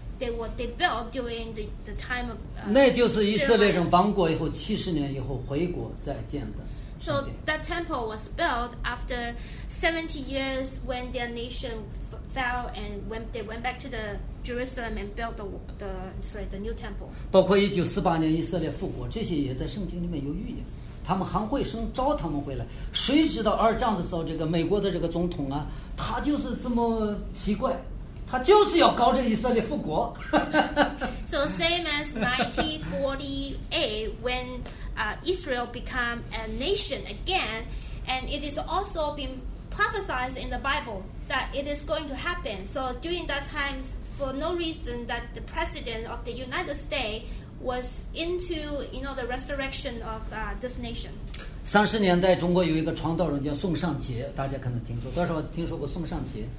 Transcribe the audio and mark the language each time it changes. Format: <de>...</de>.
<en>They built during the time of.</en> <zh>那就是以色列人亡国以后七十年以后回国再建的。</zh> <en>So that temple was built after 70 years when their nation fell and when they went back to the Jerusalem and built the new temple.</en> <zh>包括1948年以色列复国，这些也在圣经里面有预言。他们韩慧生招他们回来，谁知道二战的时候这个美国的这个总统啊，他就是这么奇怪。他就是要搞这以色列复国。</zh> <en>So same as 1948, when Israel become a nation again, and it is also been prophesized in the Bible that it is going to happen. So during that time, for no reason that the president of the United States was into, you know, the resurrection of this nation.</en> <zh>30年代，中国有一个传道人叫宋尚杰，大家可能听说，多少听说过宋尚杰。</zh>